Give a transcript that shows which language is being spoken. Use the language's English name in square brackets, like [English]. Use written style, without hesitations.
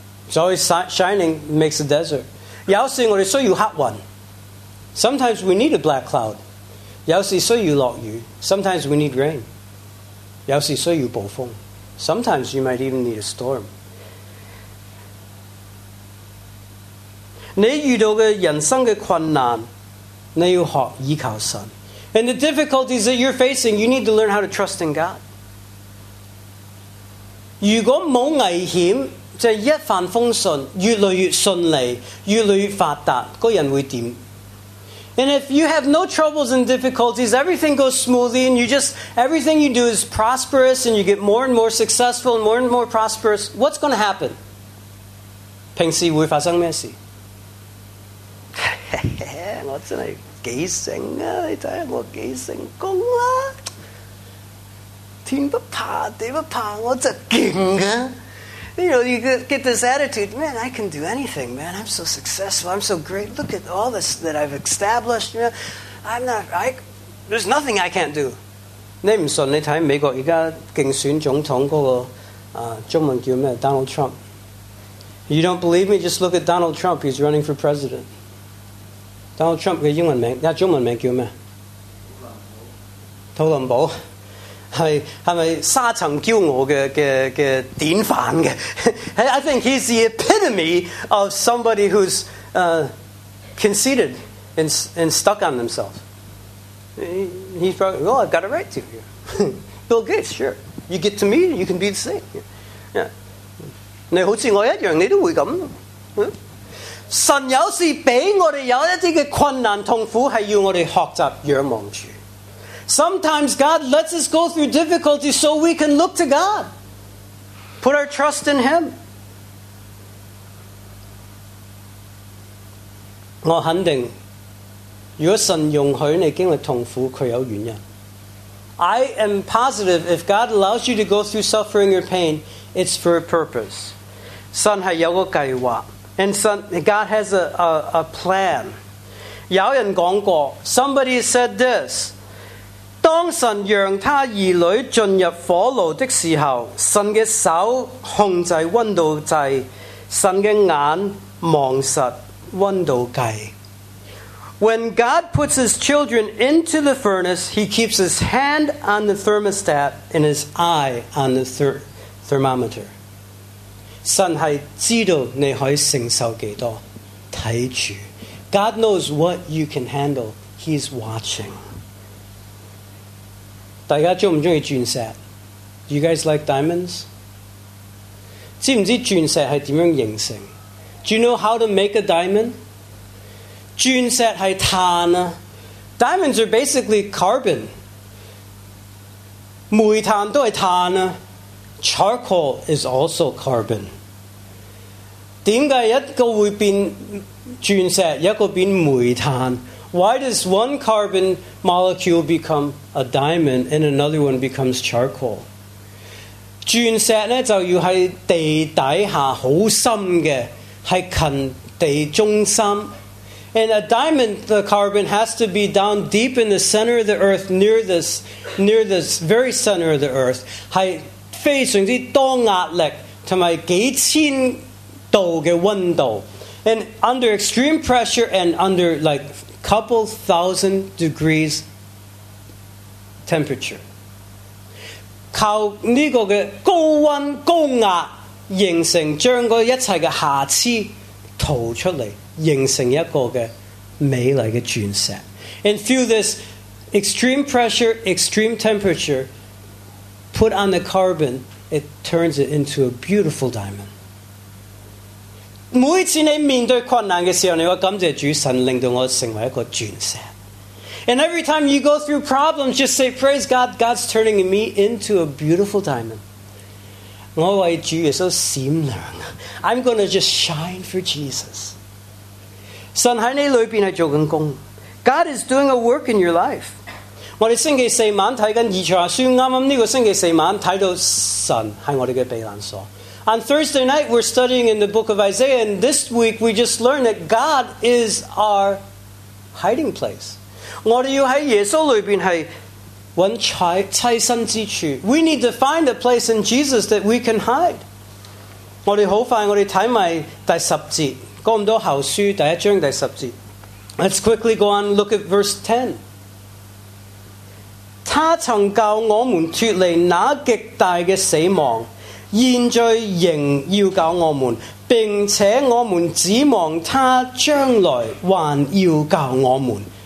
[English] So it's shining makes a desert. [Cantonese] 有时我哋需要黑云 [English] Sometimes we need a black cloud. [Cantonese] 有时需要落雨 [English] Sometimes we need rain. [Cantonese] 有时需要暴风 [English] Sometimes you might even need a storm. [Cantonese] 你遇到的人生的困难，你要学依靠神。 [English] And the difficulties that you're facing, you need to learn how to trust in God. [Cantonese] 如果没有危险，就是一帆风顺，越来越顺利，越来越发达，那人会怎样？ [English] And if you have no troubles and difficulties, everything goes smoothly, and you just, everything you do is prosperous, and you get more and more successful, and more prosperous, what's going to happen? [Cantonese] 平时会发生什么事？我真的几成啊，你看看我几成功啊。天不怕地不怕，我就劲啊。 [English] You know, you get this attitude, man, I can do anything, man. I'm so successful. I'm so great. Look at all this that I've established. You know, there's nothing I can't do. [Cantonese] 你不信，你看美国现在竞选总统那个中文叫什么 Donald Trump. [English] You don't believe me? Just look at Donald Trump. He's running for president. [Cantonese] Donald Trump 的英文名，那中文名叫什么？特朗普。是沙尘骄傲的典范的。 [English] I think he's the epitome of somebody who's conceited and stuck on themselves. He's probably, well, I've got a right to you. Bill Gates, sure. You get to me, you can be the same. Yeah. [Cantonese] 你好像我一样，你都会这样。神有时给我们有一些困难痛苦，是要我们学习仰望主。 [English] Sometimes God lets us go through difficulty so we can look to God. Put our trust in Him. [Cantonese] 我肯定，如果神容许你经历痛苦，佢有原因。 [English] I am positive if God allows you to go through suffering or pain, it's for a purpose. [Cantonese] 神系有个计划， [English] and God has a plan. [Cantonese] 有人讲过， [English] somebody said this. [Cantonese] 当神让他儿女进入火炉的时候，神的手控制温度计，神的眼望实温度计。 [English] When God puts his children into the furnace, he keeps his hand on the thermostat and his eye on the thermometer. [Cantonese] 神是知道你可以承受几多，睇住。 [English] God knows what you can handle. He's watching. [Cantonese] 大家中唔中意钻石 [English] ？You guys like diamonds？ [Cantonese] 知唔知钻石系点样形成 ？ [English] Do you know how to make a diamond？ [Cantonese] 钻石系碳啊 [English] ，diamonds are basically carbon。 [Cantonese] 煤炭都系碳啊 ， [English] charcoal is also carbon。 [Cantonese] 点解一个会变钻石，一个变煤炭 [English] ？Why does one carbon molecule become？ A diamond and another one becomes charcoal. [Cantonese] 钻石呢就要在地底下很深的，是近地中心。 [English] And a diamond, the carbon, has to be down deep in the center of the earth, near this very center of the earth. [Cantonese] 是非常之多压力，同埋几千度的温度。 [English] And under extreme pressure and under like a couple thousand degrees. Temperature. [Cantonese] 靠这个的高温高压形成，将个一切的瑕疵吐出来，形成一个的美丽的钻石。 [English] And through this extreme pressure, extreme temperature, put on the carbon, it turns it into a beautiful diamond. [Cantonese] 每次你面对困难的时候，你要感谢主神，令到我成为一个钻石。 [English] And every time you go through problems, just say, praise God, God's turning me into a beautiful diamond. [Cantonese] 我为主耶稣闪亮， [English] I'm going to just shine for Jesus. [Cantonese] 神在你里面是做紧工， [English] God is doing a work in your life. [Cantonese] 我们星期四晚看着以赛亚书，刚刚这个星期四晚看到神是我们的避难所。 [English] On Thursday night, we're studying in the book of Isaiah, and this week we just learned that God is our hiding place. [Cantonese] 我们要在耶稣里面是找栖身之处。 [English] We need to find a place in Jesus that we can hide. [Cantonese] 我们很快，我们看埋第十节，哥林多后书第一章第十节。 [English] Let's quickly go on and look at verse 10. [Cantonese] 他曾救我们脱离那极大的死亡，现在仍要教我们，并且我们指望他将来还要教我们。